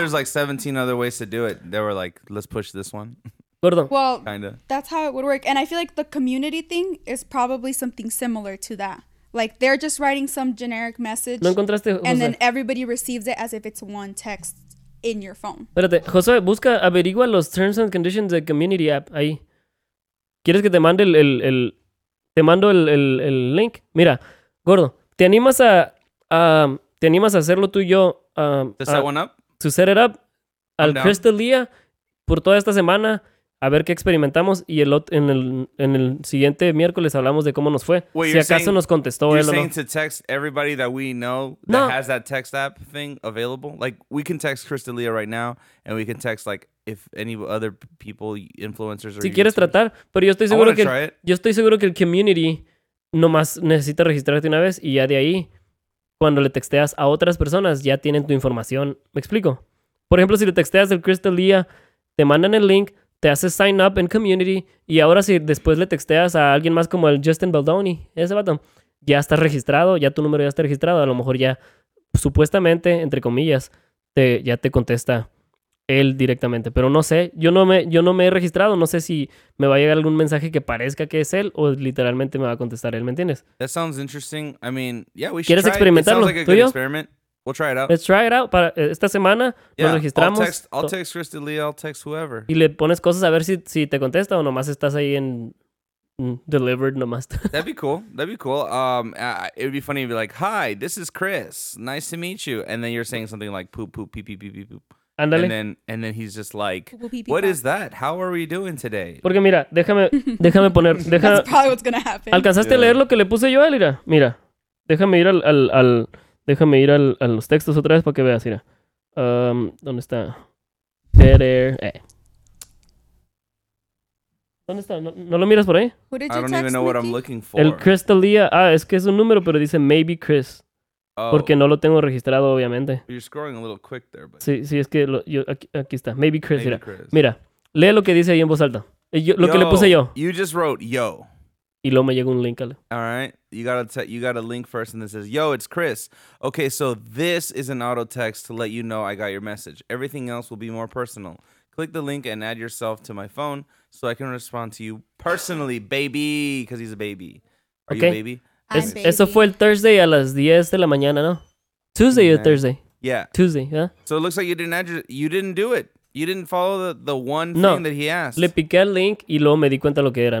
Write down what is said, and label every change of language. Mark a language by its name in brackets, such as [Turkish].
[English] There's like 17 other ways to do it, they were like, let's push this one. Well, kinda. That's how it would work. And I feel like the community thing is probably something similar to that. Like, they're just writing some generic message. [Spanish] ¿No encontraste, José? [English] And then everybody receives it as if it's one text in your phone. [Spanish] Espérate, José, busca, averigua los terms and conditions de community app ahí. ¿Quieres que te mande el te mando el link? Mira, gordo, ¿te animas a hacerlo tú y yo? [English] To set it up. [Spanish] Al Crystal Día por toda esta semana, a ver qué experimentamos, y en el siguiente miércoles hablamos de cómo nos fue. [English] Wait, [Spanish] si acaso [English] saying, [Spanish] nos contestó él o no. [English] To text everybody that we know that has that text app thing available. Like, we can text Crystal Día right now, and we can text like if any other people, influencers, or [Spanish] si quieres [English] YouTubers. [Spanish] Tratar, pero yo estoy seguro que el community nomás necesita registrarte una vez, y ya de ahí, cuando le texteas a otras personas, ya tienen tu información. ¿Me explico? Por ejemplo, si le texteas el Crystal Día, te mandan el link, te haces sign up en community, y ahora si después le texteas a alguien más como el Justin Baldoni, ese vato, ya estás registrado, ya tu número ya está registrado, a lo mejor ya, supuestamente, entre comillas, ya te contesta él directamente. Pero no sé, yo no me he registrado, no sé si me va a llegar algún mensaje que parezca que es él o literalmente me va a contestar él, ¿me entiendes? [English] That sounds interesting. I mean, yeah, we should. [Spanish] ¿Quieres experimentarlo? [English] It sounds like a good experiment. We'll try it out. Let's try it out. [Spanish] Para esta semana, [English] yeah, [Spanish] nos registramos. [English] I'll text Christy Lee, I'll text whoever. [Spanish] Y le pones cosas a ver si te contesta o nomás estás ahí en delivered nomás. [English] That'd be cool. It would be funny to be like, hi, this is Chris. Nice to meet you. And then you're saying something like poop, poop, pee, pee, pee, pee, poop. [Spanish] Andale. [English] And then he's just like, what is that? How are we doing today? [Spanish] Porque mira, déjame poner. [English] That's probably what's going to happen. [Spanish] ¿Alcanzaste a leer lo que le puse yo a él? Mira, déjame ir al déjame ir a los textos otra vez para que veas, mira. ¿Dónde está? ¿Dónde está? ¿No lo miras por ahí? [English] I don't even know what I'm looking for. [Spanish] El Crystal Día. Ah, es que es un número, pero dice maybe Chris. [English] Oh. [Spanish] Porque no lo tengo registrado, obviamente. [English] You're scrolling a little quick there, but... [Spanish] Sí, es que aquí está. Maybe Chris, [English] maybe [Spanish] mira. Chris. Mira, lee lo que dice ahí en voz alta. Lo yo, que le puse yo. [English] You just wrote yo. [Spanish] Y luego me llega un link. [English] All right. You got a link first, and it says, yo, it's Chris. Okay, so this is an auto text to let you know I got your message. Everything else will be more personal. Click the link and add yourself to my phone so I can respond to you personally, baby, because he's a baby. Are okay. You a baby? I'm baby. [Spanish] Eso fue el Thursday a las 10 de la mañana, ¿no? [English] Tuesday or Thursday? Yeah. Tuesday, yeah. So it looks like you didn't do it. You didn't follow the one no. thing that he asked. [Spanish] Le piqué al link y luego me di cuenta lo que era.